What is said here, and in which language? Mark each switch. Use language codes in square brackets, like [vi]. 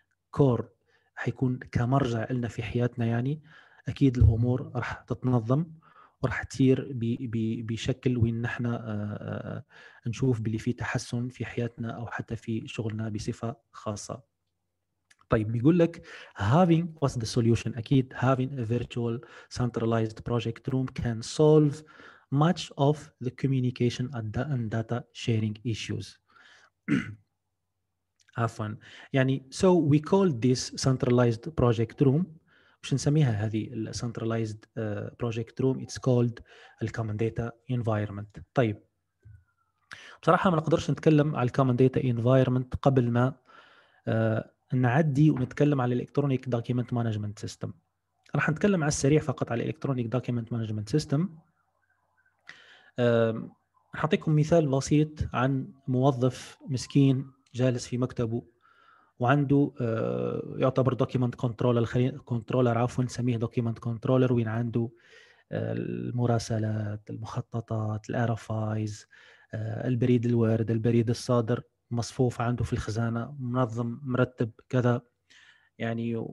[ar] كور حيكون كمرجع لنا في حياتنا، يعني أكيد الأمور رح تتنظم ورح تصير بشكل وإن نحن نشوف باللي في تحسن في حياتنا أو حتى في شغلنا بصفة خاصة. طيب بيقول لك [en] having what's the solution، أكيد having a virtual centralized project room can solve much of the communication and data sharing issues. [ar] عفوا يعني [en] so we call this centralized project room. [ar] مش نسميها هذه [en] centralized project room، it's called the common data environment. [ar] طيب بصراحة ما نقدرش نتكلم على الكومن داتا انفايرمنت قبل ما نعدي ونتكلم على الالكترونيك دوكيمنت مانجمنت سيستم. راح نتكلم على السريع فقط على الالكترونيك دوكيمنت مانجمنت سيستم. أعطيكم مثال بسيط عن موظف مسكين جالس في مكتبه وعنده يعتبر دوكيمنت كنترولر، كنترولر عفوا، نسميه دوكيمنت كنترولر، وين عنده المراسلات، المخططات، الار اف ايز، البريد الوارد، البريد الصادر، مصفوف عنده في الخزانة، منظم مرتب كذا يعني.